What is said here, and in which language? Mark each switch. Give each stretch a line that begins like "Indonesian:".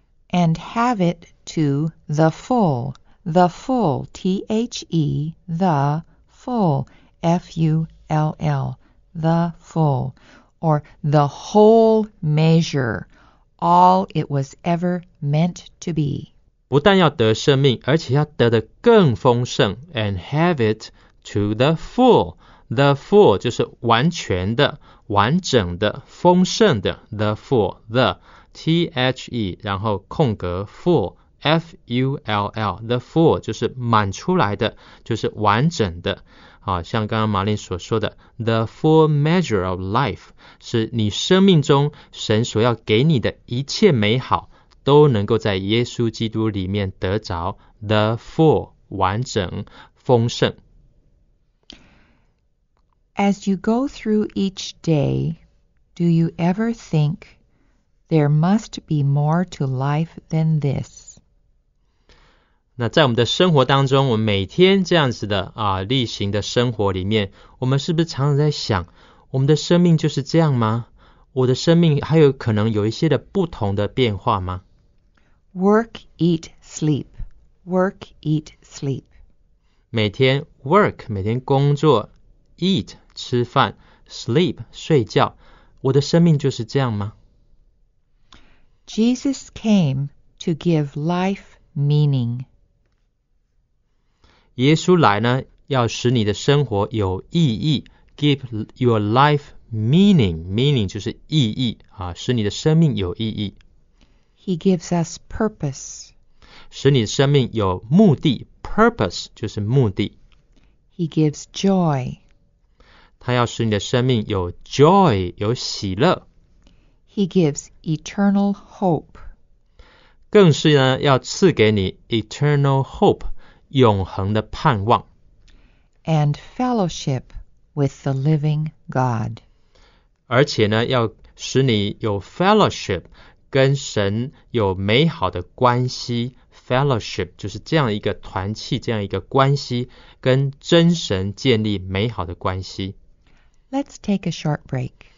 English: And have it to the full,The full, T-H-E, the full, F-U-L-L, the full, or the whole measure, all it was ever meant to be.
Chinese: 不但要得生命，而且要得的更丰盛
English: and have it to the full. The full
Chinese: 就是完全的、完整的、丰盛的 the full, the, T-H-E, 然后空格 full. F-U-L-L, the full, 就是满出来的,就是完整的。好,像刚刚玛琳所说的 ,
English: the full measure of life,
Chinese: 是你生命中神所要给你的一切美好都能够在耶稣基督里面得着 ,the full, 完整,丰盛。
English: As you go through each day, do you ever think there must be more to life than this?
Chinese: 那在我们的生活当中，我们每天这样子的啊，例行的生活里面，我们是不是常常在想，我们的生命就是这样吗？我的生命还有可能有一些的不同的变化吗
English: ？Work, eat, sleep. Work, eat, sleep.
Chinese: 每天 work 每天工作 ，eat 吃饭 ，sleep 睡觉。我的生命就是这样吗
English: ？Jesus came to give life meaning.
Chinese: 耶稣来呢，要使你的生活有意义 ，
English: give your life meaning.
Chinese: Meaning 就是意义啊，使你的生命有意义。
English: He gives us purpose.
Chinese: 使你的生命有目的 ，purpose 就是目的。
English: He gives joy.
Chinese: 他要使你的生命有 joy， 有喜乐。
English: He gives eternal hope.
Chinese: 更是呢，要赐给你
English: eternal hope。
Chinese: 永恒的盼望
English: and fellowship with the living God.
Chinese: 而且呢，要使你有 fellowship， 跟神有美好的关系。 Fellowship 就是这样一个团契，这样一个关系，跟真神建立美好的关系。
English: Let's take a short break.